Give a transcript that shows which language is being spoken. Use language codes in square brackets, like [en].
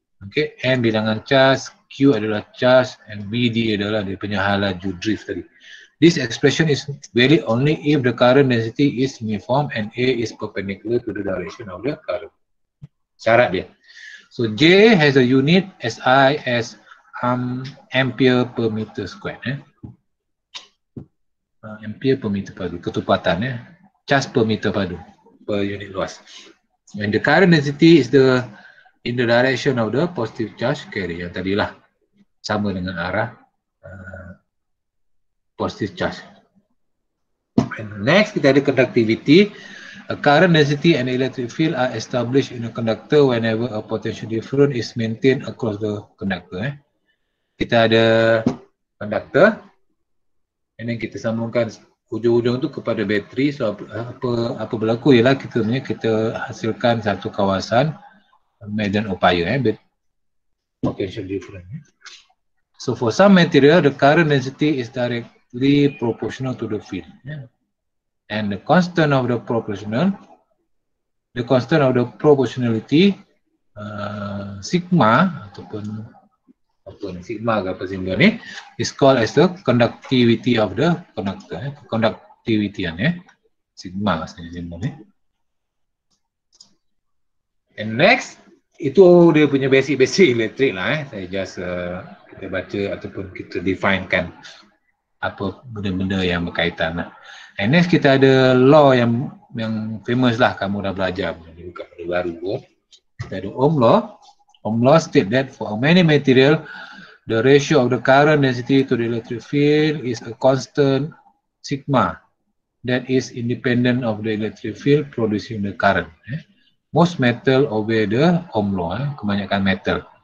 [ms] Okay, N bilangan charge, Q adalah charge, and VD adalah dia punya hal laju drift tadi. [en] This expression is valid only if the current density is uniform and A is perpendicular to the direction of the current. [ms] Syarat dia. [en] So J has a unit SI as ampere per meter square. Eh. [ms] Ampere per meter padu, ketupatan. Eh. Charge per meter padu, per unit luas. [en] And the current density is the in the direction of the positive charge carrier, [ms] yang tadilah sama dengan arah [en] positive charge. And next kita ada conductivity. A current density and electric field are established in a conductor whenever a potential difference is maintained across the conductor. [ms] Eh? Kita ada conductor, and then kita sambungkan ujung-ujung tu kepada bateri. So apa berlaku ialah kita hasilkan satu kawasan medan upaya. [en] Eh? Potential difference. Eh? So for some material, the current density is directly proportional to the field. Yeah? And the constant of the proportional, the constant of the proportionality, sigma [ms] ataupun apa ni, sigma ke apa simbol ni, [en] is called as the conductivity of the conductor. [ms] Eh? Conductivity ni, eh? Sigma maksudnya simbol ni. [en] And next, [ms] itu dia punya basic-basic elektrik lah. Eh? Saya just kita baca ataupun kita definekan apa benda-benda yang berkaitan lah. And next kita ada law yang famous lah, kamu dah belajar. Ini bukan benda baru pun. Kita ada Ohm law. [en] Ohm law state that for many material, the ratio of the current density to the electric field is a constant sigma that is independent of the electric field producing the current. Eh? Most metal obey the Ohm law, eh? [ms] Kebanyakan metal.